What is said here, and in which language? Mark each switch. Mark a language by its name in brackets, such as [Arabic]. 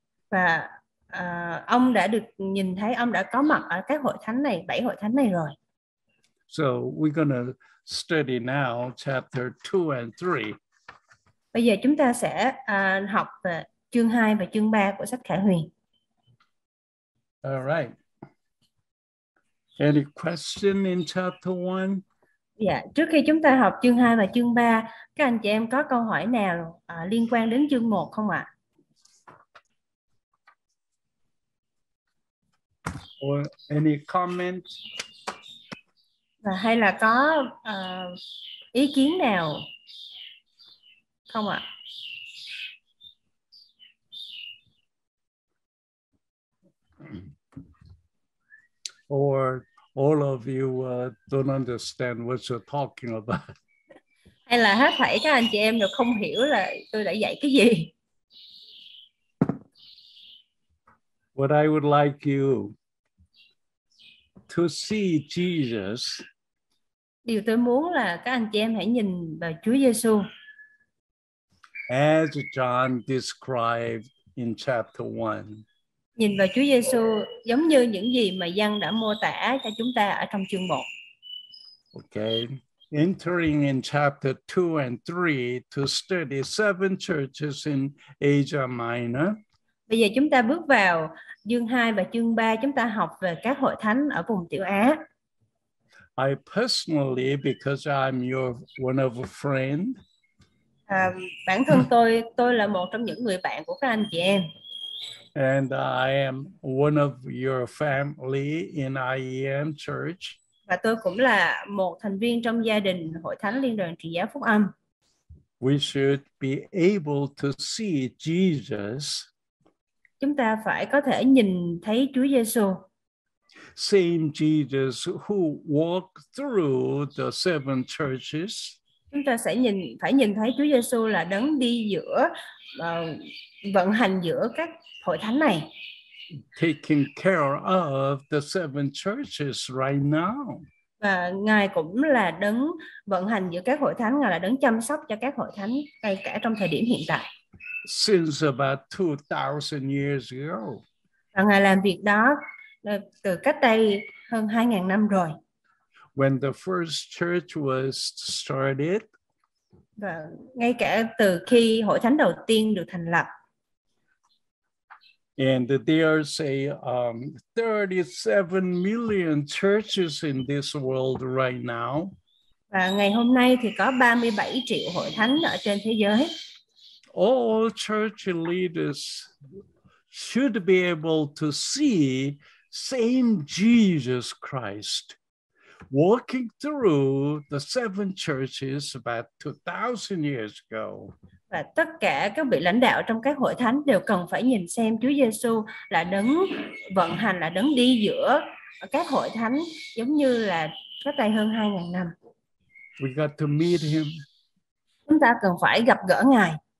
[Vietnamese] Và ông đã được nhìn thấy, ông đã có mặt ở các hội thánh này, bảy hội thánh này rồi. [English] So we're going to study now chapter 2 and 3. [Vietnamese] Bây giờ chúng ta sẽ học chương 2 và chương 3 của sách Khải Huyền. [English] All right. Any question in chapter 1? [Vietnamese] Dạ, trước khi chúng ta học chương 2 và chương 3, các anh chị em có câu hỏi nào liên quan đến chương 1 không ạ? [English] Or any comment? [Vietnamese] Hay là có ý kiến nào không ạ? [English] All of you don't understand what you're talking about. [Vietnamese] Hay là hết thảy các anh chị em đều không hiểu là tôi đã dạy cái gì. [English] What I would like you to see Jesus. [Vietnamese] Điều tôi muốn là các anh chị em hãy nhìn vào Chúa Giêsu. [English] As John described in chapter 1. [Vietnamese] nhìn vào Chúa Giêsu giống như những gì mà Giăng đã mô tả cho chúng ta ở trong chương 1. [English] Okay. Entering in chapter 2 and 3 to study seven churches in Asia Minor. [Vietnamese] Bây giờ chúng ta bước vào chương 2 và chương 3, chúng ta học về các hội thánh ở vùng Tiểu Á. [English] I personally, because I'm your one of a friend. [Vietnamese] Bản thân tôi là một trong những người bạn của các anh chị em. [English] And I am one of your family in IEM Church. [Vietnamese] Và tôi cũng là một thành viên trong gia đình Hội Thánh Liên đoàn Trị Giá Phúc Âm. [English] We should be able to see Jesus. [Vietnamese] Chúng ta phải có thể nhìn thấy Chúa Giêsu. [English] Same Jesus who walked through the seven churches. [Vietnamese] Chúng ta sẽ phải nhìn thấy Chúa Giêsu là đấng đi giữa, vận hành giữa các hội thánh này. [English] Taking care of the seven churches right now. [Vietnamese] Và Ngài cũng là đấng vận hành giữa các hội thánh, Ngài là đấng chăm sóc cho các hội thánh ngay cả trong thời điểm hiện tại. [English] Since about 2000 years ago. [Vietnamese] Và Ngài làm việc đó từ cách đây hơn 2000 năm rồi. [English] When the first church was started. [Vietnamese] Và ngay cả từ khi hội thánh đầu tiên được thành lập. [English] And there say 37 million churches in this world right now. [Vietnamese] Và ngày hôm nay thì có 37 triệu hội thánh ở trên thế giới. [English] All church leaders should be able to see same Jesus Christ walking through the seven churches about 2000 years ago. [Vietnamese] Và tất cả các vị lãnh đạo trong các hội thánh đều cần phải nhìn xem Chúa Giêsu là đấng vận hành, là đấng đi giữa các hội thánh giống như là cách đây hơn 2000 năm. [English] We got to meet him. [Vietnamese] Chúng ta cần phải gặp gỡ Ngài.